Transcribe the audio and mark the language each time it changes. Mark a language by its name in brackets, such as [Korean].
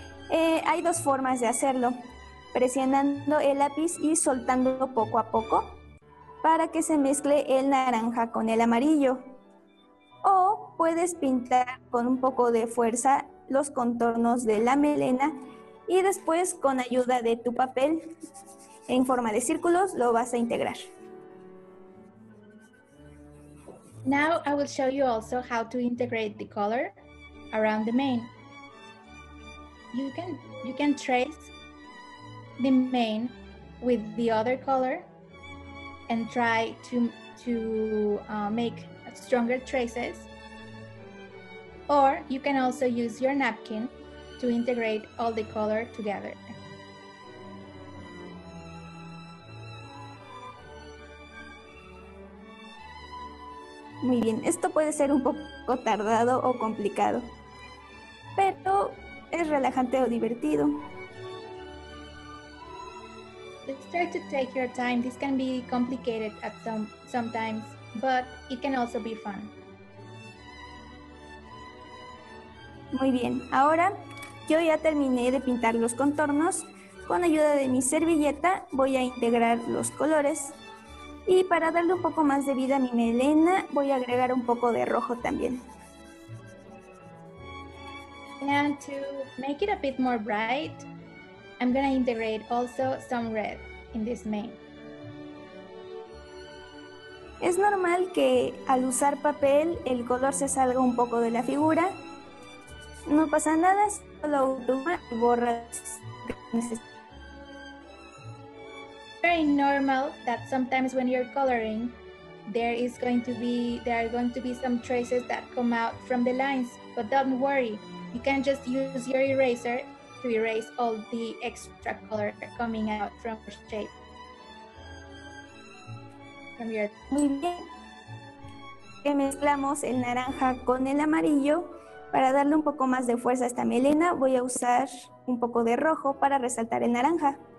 [Spanish] Hay dos formas de hacerlo, presionando el lápiz y soltando poco a poco para que se mezcle el naranja con el amarillo. O puedes pintar con un poco de fuerza los contornos de la melena y después con ayuda de tu papel en forma de círculos lo vas a integrar. [English] Now I will show you also how to integrate the color around the mane. You can trace the mane with the other color and try to make stronger traces. Or you can also use your napkin to integrate all the color together. [Spanish] Muy bien, esto puede ser un poco tardado o complicado, pero es relajante o divertido. [English] Let's try to take your time. This can be complicated at sometimes, but it can also be fun. [Spanish] Muy bien, ahora yo ya terminé de pintar los contornos. Con ayuda de mi servilleta voy a integrar los colores. Y para darle un poco más de vida a mi melena, voy a agregar un poco de rojo también. [English] And to make it a bit more bright, I'm going to integrate also some red in this mane. [Spanish] Es normal que al usar papel el color se salga un poco de la figura. No pasa nada, solo toma y borra lo necesario. [English] Very normal that sometimes when you're coloring, there are going to be some traces that come out from the lines. But don't worry, you can just use your eraser to erase all the extra color coming out from your shape. [Spanish] Muy bien. Que mezclamos el naranja con el amarillo para darle un poco más de fuerza a esta melena. Voy a usar un poco de rojo para resaltar el naranja.